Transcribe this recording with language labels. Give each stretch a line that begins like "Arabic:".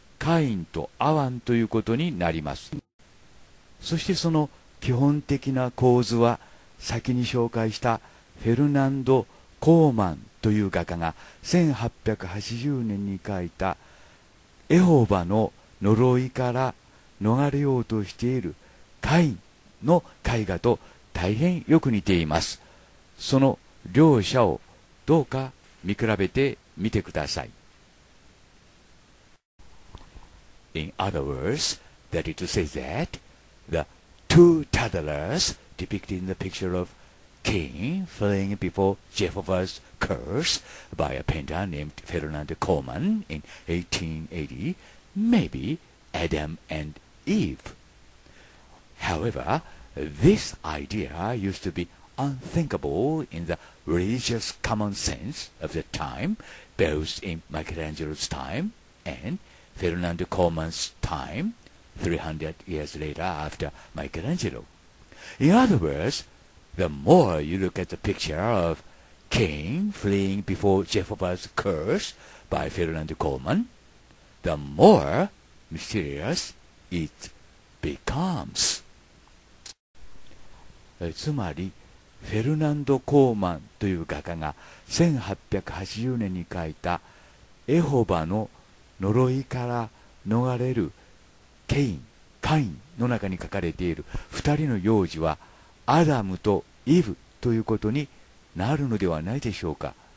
Japanese: カインとアワンということになります。そしてその基本的な構図は、先に紹介したフェルナンド・コーマンという画家が1880年に描いたエホバの呪いから逃れようとしているカインの絵画と大変よく似ています。その両者をどうか見比べてみてください。
English: In other words, that is to say that the two toddlers depicted in the picture of Cain fleeing before Jehovah's curse by a painter named Ferdinand Coleman in 1880 may be Adam and Eve. However, this idea used to be unthinkable in the religious common sense of the time, both in Michelangelo's time and Ferdinand Coleman's time, 300 years later after Michelangelo. In other words, the more you look at the picture of Cain fleeing before Jehovah's curse by Ferdinand Coleman, the more mysterious it becomes.
Japanese: つまり、フェルナンド・コーマンという画家が1880年に描いたエホバの呪いから逃れるカインの中に描かれている2人の幼児はアダムとイブということになるのではないでしょうか。